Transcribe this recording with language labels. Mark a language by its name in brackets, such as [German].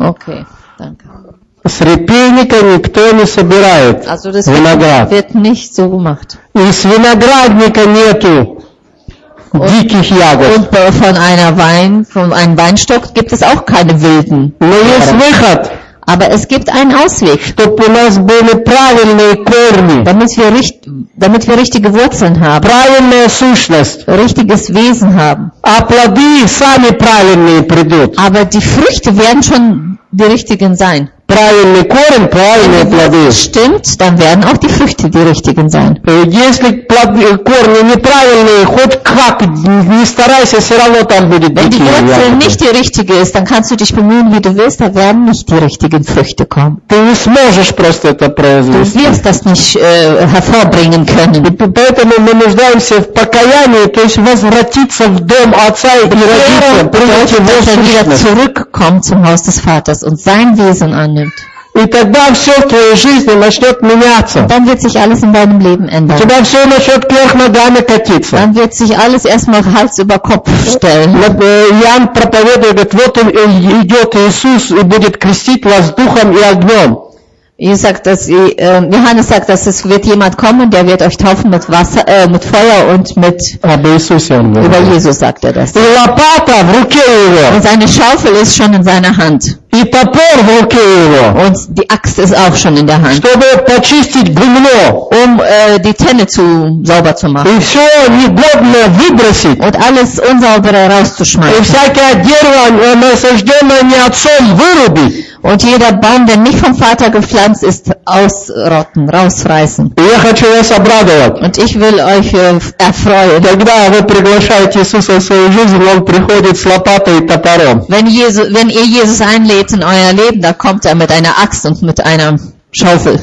[German] Okay, danke. [Russian] С репейника никто не собирает [German] also das [Russian] виноград. [German] Wird nicht so gemacht. [Russian] И с виноградника нету диких ягод. [German] Und von einer Wein, von einem Weinstock gibt es auch keine wilden. [Russian] Но есть выход. [German] Aber es gibt einen Ausweg. [Russian] Чтобы у нас были правильные корни. [German] Damit wir richtige Wurzeln haben. [Russian] Правильная сущность. [German] Richtiges Wesen haben. [Russian] А плоды сами правильные придут. [German] Aber die Früchte werden schon die richtigen sein. [Russian] Правильный корень, правильные плоды. [German] Stimmt, dann werden auch die Früchte die richtigen sein. [Russian] Если корни неправильные, хоть как, не старайся, все равно там будет дикие ягоды. [German] Wenn die Wurzel nicht die richtige ist, dann kannst du dich bemühen, wie du willst, da werden nicht die richtigen Früchte kommen. [Russian] Ты не сможешь просто это произвести. [German] Du wirst das nicht hervorbringen können. [Russian] Поэтому мы нуждаемся в покаянии, то есть возвратиться в дом отца и родителям, принять его сущность. [German] Zurückkommen zum Haus des Vaters und sein Wesen an. [Russian] И тогда все в твоей жизни начнет меняться. [German] Dann wird sich alles in deinem Leben ändern. [Russian] Тебя все начнет вверх ногами катиться. [German] Dann wird sich alles erstmal Hals über Kopf stellen. [Russian] Иоанн проповедует, вот он идет Иисус и будет крестить вас духом и огнем. [German] Johannes sagt, dass es wird jemand kommen, der wird euch taufen mit Wasser, mit Feuer und mit. Aber Jesus ja. Über Jesus sagt er das. [Russian] Lopata в руке его. [German] Und seine Schaufel ist schon in seiner Hand. [Russian] И топор в руке его. [German] Und die Axt ist auch schon in der Hand. [Russian] Чтобы почистить гумно. [German] Um die Tenne zu sauber zu machen. [Russian] И все негодное выбросить. [German] Und alles Unsaubere rauszuschmeißen. [Russian] И всякое дерево, насажденное не отцом, вырубить. [German] Und jeder Baum, der nicht vom Vater gepflanzt ist, ausrotten, rausreißen. Und ich will euch erfreuen. Wenn ihr Jesus einlädt in euer Leben, da kommt er mit einer Axt und mit einer Schaufel.